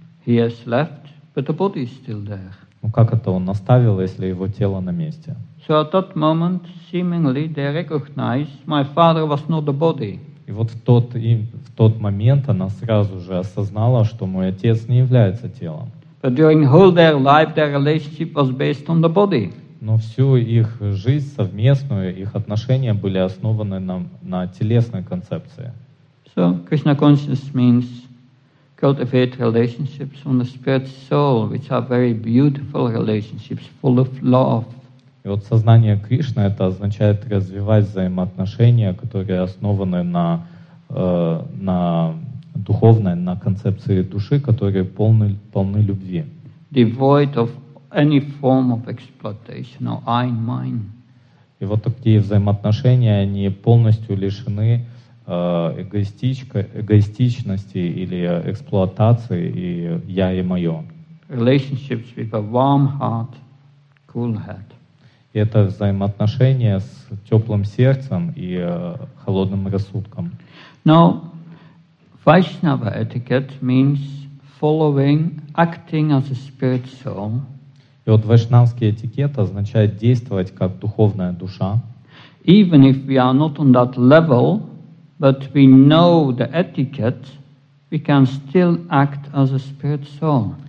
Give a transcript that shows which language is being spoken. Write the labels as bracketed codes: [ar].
[en] He has left, but the body is still there. [ru] Ну как это он оставил, если его тело на месте? [en] So at that moment, seemingly, they recognized my father was not the body. [ru] И вот в тот момент она сразу же осознала, что мой отец не является телом. [en] But during whole their life, their relationship was based on the body. [ru] Но всю их жизнь совместную, их отношения были основаны на телесной концепции. [en] So Krishna consciousness means cultivate relationships on the spirit soul, which are very beautiful relationships, full of love. [ru] И вот сознание Кришны это означает развивать взаимоотношения, которые основаны на духовной, на концепции души, которые полны любви. [en] Devoid of any form of exploitation or I mine. [ru] И вот такие взаимоотношения, они полностью лишены эгоистичности или эксплуатации и я и мое. [en] Relationships with a warm heart, cool head. [ru] И это взаимоотношения с теплым сердцем и холодным рассудком. [en] Now, Vaishnava etiquette means following, acting as a spirit soul. [ru] И вот вайшнавский этикет означает действовать как духовная душа. [en] Even if we are not on that level, but we know the etiquette, we can still act as a spirit soul.